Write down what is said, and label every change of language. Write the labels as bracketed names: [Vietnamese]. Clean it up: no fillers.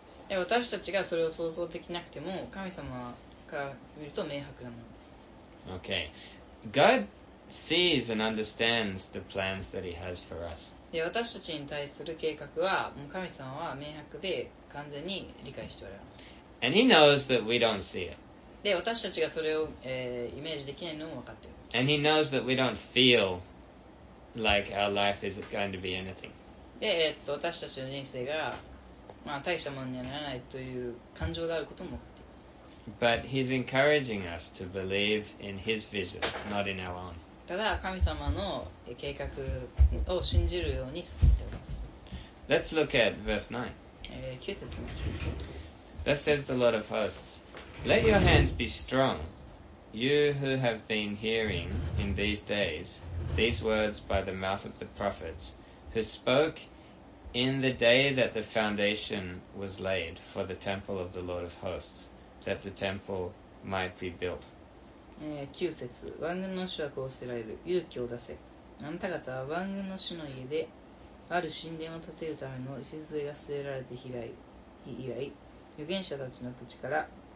[Japanese] 私たちがそれを想像できなくても、神様から見ると明白なものです。 [English] Okay. God sees and understands the plans that He has for us. [Japanese] 私たちに対する計画は、もう神様は明白で完全に理解しておられます。 [English] And He knows that we don't see it. [Japanese] で私たちがそれを、イメージできないのも分かっている。 [English] And he knows that we don't feel like our life is going to be anything. [Japanese] で、私たちの人生が、まあ、大したものにはならないという感情があることも分かっています。 [English] But he's encouraging us to believe in his vision, not in our own. [Japanese] ただ神様の計画を信じるように進めております。 [English] Let's look at verse 9. [Japanese] 9節目。 [English] Thus says the Lord of hosts. Let your hands be strong, you who have been hearing in these days these words by the mouth of the prophets, who spoke in the day that the foundation was laid for the temple of the Lord of hosts, that the temple might be built. [Japanese] 九節、万軍の主はこうせられる。勇気を出せ。あなた方は万軍の主の家である神殿を建てるための礎が据えられて以来、預言者たちの口から、